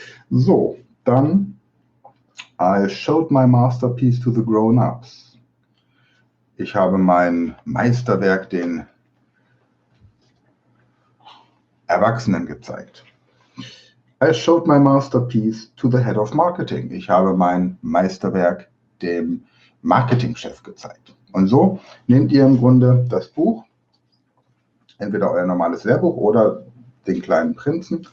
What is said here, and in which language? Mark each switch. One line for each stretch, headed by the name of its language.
German: So, dann,
English: I showed my masterpiece to the grown-ups.
German: Ich habe mein Meisterwerk den Erwachsenen gezeigt.
English: I showed my masterpiece to the head of marketing.
German: Ich habe mein Meisterwerk dem Marketingchef gezeigt. Und so nehmt ihr im Grunde das Buch, entweder euer normales Lehrbuch oder den kleinen Prinzen.